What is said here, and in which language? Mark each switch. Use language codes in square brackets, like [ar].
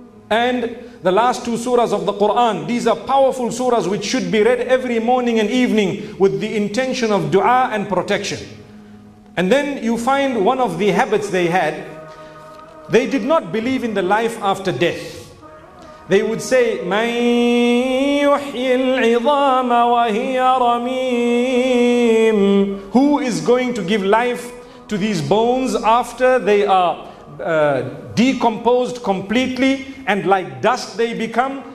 [en] And the last two surahs of the Quran, these are powerful surahs which should be read every morning and evening with the intention of dua and protection. And then you find one of the habits they had. They did not believe in the life after death. They would say, [ar] مَن يُحْيِي الْعِظَامَ وَهِيَ رَمِيمٌ. [en] Who is going to give life to these bones after they are decomposed completely and like dust they become?